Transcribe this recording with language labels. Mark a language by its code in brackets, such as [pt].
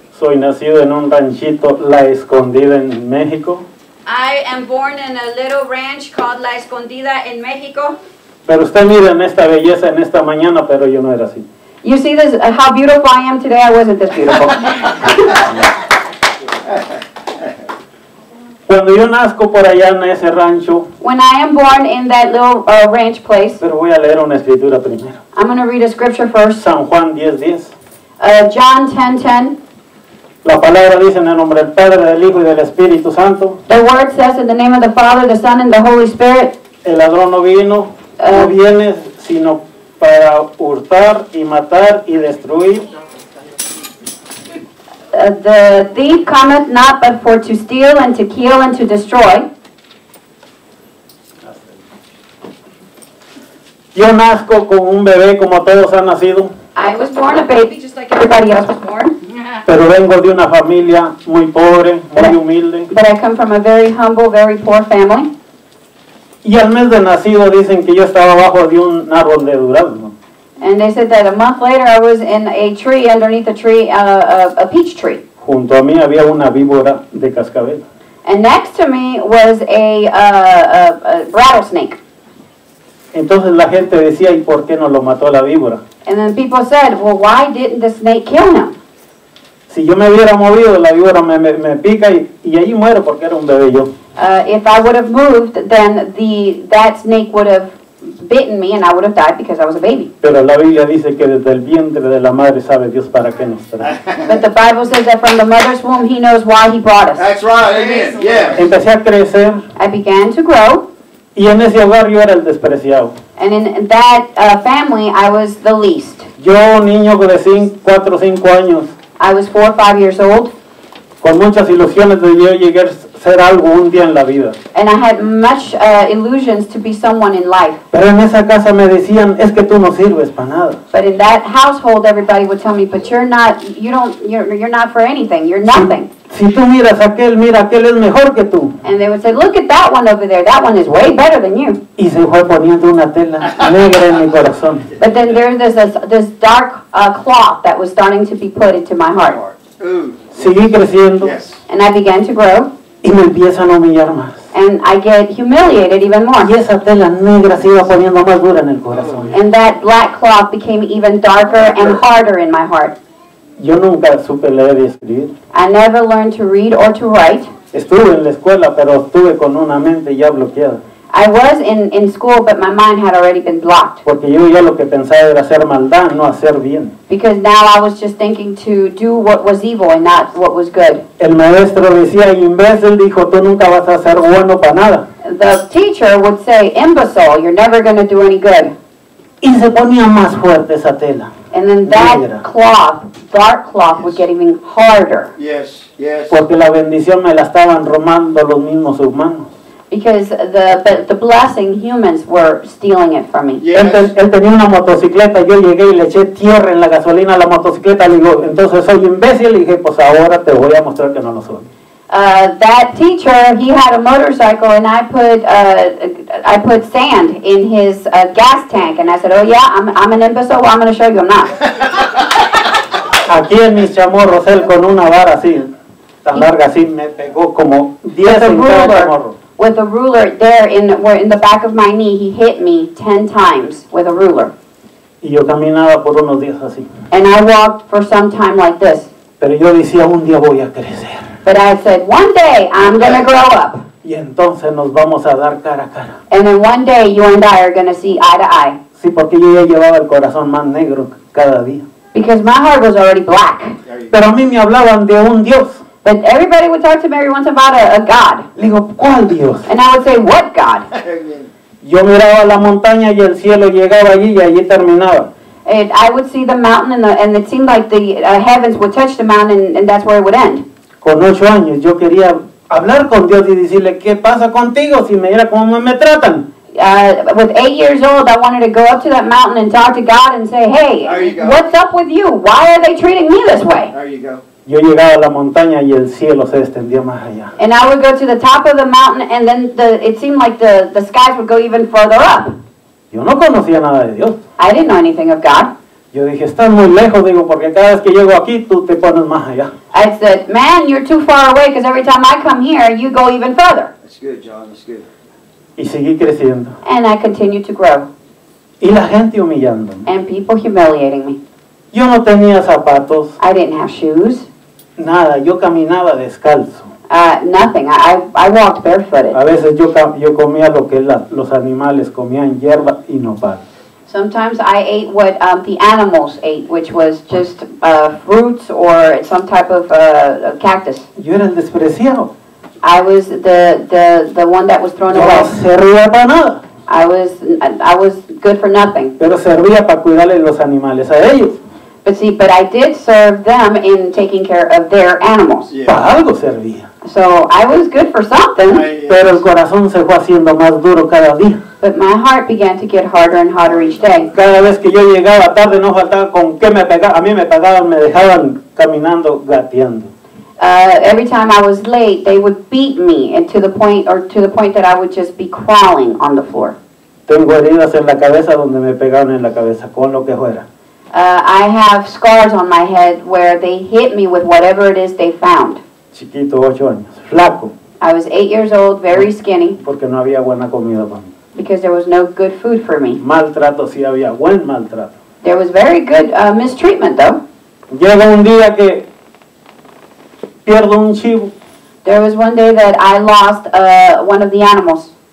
[es] Soy nacido en un ranchito La Escondida en México. [en] I am born in a little ranch called La Escondida in Mexico. [es] Pero usted mira en esta belleza en esta mañana, pero yo no era así. [en] You see this, how beautiful I am today? I wasn't this beautiful. [es] Cuando yo nazco por allá en ese rancho, [en] when I am born in that little ranch place, [es] pero voy a leer una escritura primero. [en] I'm going to read a scripture first. [es] San Juan 10:10. [en] John 10:10. [es] La palabra dice en el nombre del Padre, del Hijo y del Espíritu Santo. [en] The word says in the name of the Father, the Son, and the Holy Spirit. [es] El ladrón no vino, no viene, sino para hurtar y matar y destruir. [en] The thief cometh not but for to steal and to kill and to destroy. [es] Yo nazco con un bebé como todos han nacido. [en] I was born a baby just like everybody else was born. [es] Pero vengo de una familia muy pobre, muy humilde. [en] But I come from a very humble, very poor family. [es] Y al mes de nacido dicen que yo estaba bajo de un árbol de durazno. [en] And they said that a month later I was in a tree, underneath a tree, a peach tree. [es] Junto a mí había una víbora de cascabel. [en] And next to me was a rattlesnake. [es] Entonces la gente decía, ¿y por qué no lo mató la víbora? [en] And then people said, well, why didn't the snake kill him? [es] Si yo me hubiera movido, la víbora me pica y ahí muero porque era un bebé yo. [en] If I would have moved, then that snake would have bitten me and I would have died because I was a baby. [es] Pero la Biblia dice que desde el vientre de la madre sabe Dios para qué nos trae. [en] But the Bible says that from the mother's womb he knows why he brought us. That's right, amen, yes. [es] Empecé a crecer. [en] I began to grow. [es] Y en ese hogar yo era el despreciado. [en] And in that family I was the least. [es] Yo, niño de 4 o 5 años. [en] I was 4 or 5 years old. [es] Con muchas ilusiones de yo llegar a ser algo un día en la vida. [en] And I had much illusions to be someone in life. [es] Pero en esa casa me decían, es que tú no sirves para nada. [en] But in that household everybody would tell me, but you're not for anything, you're nothing. [es] Si tú miras aquel, mira, aquel es mejor que tú. [en] And they would say, look at that one over there, that one is way better than you. [es] Y se fue poniendo una tela negra en mi corazón. [en] But then there's this dark cloth that was starting to be put into my heart. [es] Seguí creciendo. [en] Yes. And I began to grow. [es] Y me empiezan a humillar más. [en] And I get humiliated even more. [es] Y esa tela negra se iba poniendo más dura en el corazón. [en] And that black cloth became even darker and harder in my heart. [es] Yo nunca supe leer y escribir. [en] I never learned to read or to write. [es] Estuve en la escuela, pero estuve con una mente ya bloqueada. [en] I was in school, but my mind had already been blocked. [es] Porque yo ya lo que pensaba era hacer maldad, no hacer bien. [en] Because now I was just thinking to do what was evil and not what was good. [es] El maestro decía, imbécil, dijo, tú nunca vas a ser bueno para nada. [en] The teacher would say, imbecile, you're never going to do any good. [es] Y se ponía más fuerte esa tela. [en] And then that cloth, dark cloth, yes, would get even harder. Yes, yes. [es] Porque la bendición me la estaban robando los mismos humanos. [en] Because the blessing humans were stealing it from me. Yes. [es] Él tenía una motocicleta, yo llegué y le eché tierra en la gasolina a la motocicleta, le digo, entonces soy imbécil, y dije, pues ahora te voy a mostrar que no lo soy. [en] That teacher, he had a motorcycle and I put sand in his gas tank and I said, oh yeah, I'm an imbecile, well, I'm gonna show you I'm not. [es] Aquí en mis chamorros, él con una vara así, tan larga así, me pegó como 10 en cada chamorro. [en] With a ruler there in the back of my knee, he hit me 10 times with a ruler. [es] Y yo caminaba por unos días así. [en] And I walked for some time like this. [es] Pero yo decía, un día voy a crecer. [en] But I said, one day I'm going to grow up. [es] Y entonces nos vamos a dar cara a cara. [en] And then one day you and I are going to see eye to eye. [es] Sí, porque yo ya llevaba el corazón más negro cada día. [en] Because my heart was already black. [es] Pero a mí me hablaban de un Dios. [en] But everybody would talk to me every once about a God. [es] Le digo, ¿cuál Dios? [en] And I would say, what God? [es] Yo miraba la montaña y el cielo llegaba allí y allí terminaba. [en] I would see the mountain and it seemed like the heavens would touch the mountain and that's where it would end. [es] Con 8 años yo quería hablar con Dios y decirle qué pasa contigo si me mira cómo me tratan. [en] With 8 years old I wanted to go up to that mountain and talk to God and say, "Hey, what's up with you? Why are they treating me this way?" [es] Yo llegaba a la montaña y el cielo se extendía más allá. [en] And I would go to the top of the mountain and then it seemed like the skies would go even further up. [es] Yo no conocía nada de Dios. [en] I didn't know anything of God. [es] Yo dije, "Estás muy lejos", digo, "porque cada vez que llego aquí tú te pones más allá." [en] I said, "Man, you're too far away because every time I come here you go even further." That's good, John, that's good. [es] Y seguí creciendo. [en] And I continued to grow. [es] Y la gente humillándome. [en] And people humiliating me. [es] Yo no tenía zapatos. [en] I didn't have shoes. [es] Nada, yo caminaba descalzo. [en] Nothing. I walked barefooted. [es] A veces yo comía lo que los animales comían, hierba y nopal. [en] Sometimes I ate what the animals ate, which was just fruits or some type of cactus. [es] Yo era el despreciado. [en] I was the one that was thrown away. [es] Servía para nada. [en] I was good for nothing. [es] Pero servía para cuidarle los animales a ellos. [en] But I did serve them in taking care of their animals. [es] Yeah. Para algo servía. [en] So I was good for something. [es] Pero el corazón se fue haciendo más duro cada día. [en] But my heart began to get harder and harder each day. [es] Cada vez que yo llegaba tarde no faltaba con qué me pegar. A mí me pegaban, me dejaban caminando, gateando. [en] Every time I was late, they would beat me to the point that I would just be crawling on the floor. [es] Tengo heridas en la cabeza donde me pegaron en la cabeza con lo que fuera. [en] I have scars on my head where they hit me with whatever it is they found. [es] Chiquito, 8 años, flaco. [en] I was 8 years old, very skinny. [es] Porque no había buena comida para mí. [en] Because there was no good food for me. [es] Maltrato sí había, buen maltrato. [en] There was very good mistreatment though. [es] Llega un día que pierdo un chivo. [en] There was one day that I lost one of the animals.